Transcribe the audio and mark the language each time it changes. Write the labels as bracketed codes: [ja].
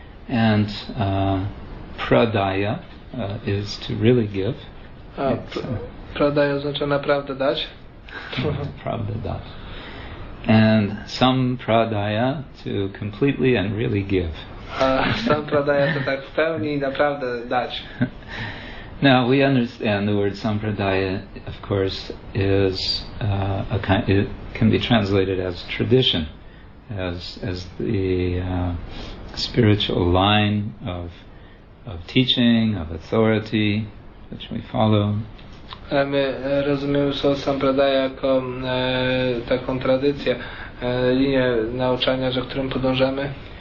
[en] And pradaya is to really give. [pl] Pradaya oznacza naprawdę dać. Naprawdę dać. [en] And some pradaya to completely and really give. [pl] Sam pradaya to tak w pełni i naprawdę dać. [en] Now we understand the word sampradaya, of course, is a kind. It can be translated as tradition, as the spiritual line of teaching, of authority, which we follow. [pl] My rozumiemy słowo sampradaya jako taką tradycję, linię nauczania, za którą podążamy.